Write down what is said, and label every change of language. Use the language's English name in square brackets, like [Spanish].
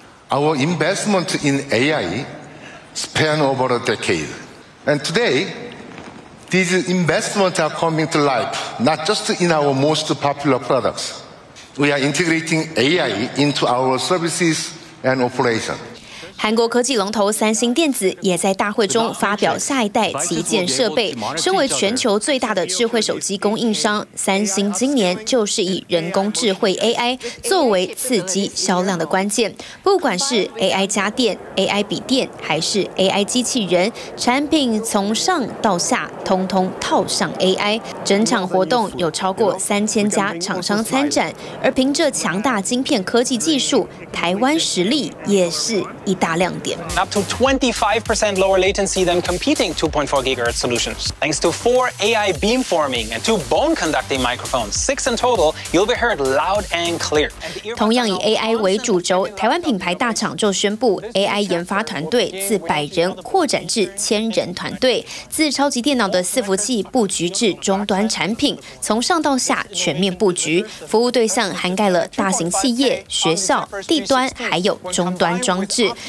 [English] Our investment in AI span over a decade. And today, these investments are coming to life, not just in our most popular products. We are integrating AI into our services and operations. [Chinese] 韩国科技龙头三星电子也在大会中发表下一代旗舰设备。身为全球最大的智慧手机供应商，三星今年就是以人工智慧 AI 作为刺激销量的关键。不管是 AI 家电、AI 笔电，还是 AI 机器人，产品从上到下通通套上 AI。整场活动有超过3000家厂商参展，而凭着强大晶片科技技术，台湾实力也是一大亮点。 [English] Up to 25% lower latency than competing 2.4 GHz solutions. Thanks to 4 AI beamforming and 2 bone conducting microphones, 6 in total, you'll be heard loud and clear. [Chinese] 同样以 AI 为主轴，台湾品牌大厂就宣布 AI 研发团队自100人扩展至1000人团队，自超级电脑的伺服器布局至终端产品，从上到下全面布局，服务对象涵盖了大型企业、学校、地端还有终端装置。